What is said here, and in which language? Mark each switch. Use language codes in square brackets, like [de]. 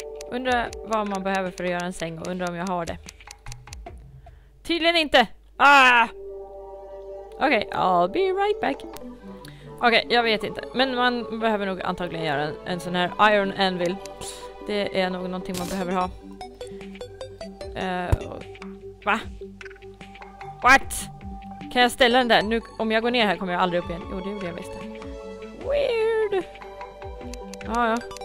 [sv] Undrar vad man behöver för att göra en säng och undrar om jag har det. Tydligen inte! Ah! Okej, [en] okay, I'll be right back. [sv] Okej, okay, jag vet inte. Men man behöver nog antagligen göra en sån här iron anvil. Det är nog någonting man behöver ha. Va? [en] What? [sv] Kan jag ställa den där? Nu, om jag går ner här kommer jag aldrig upp igen. Jo, det gjorde jag visst. [en] Weird! [sv] Ah, ja.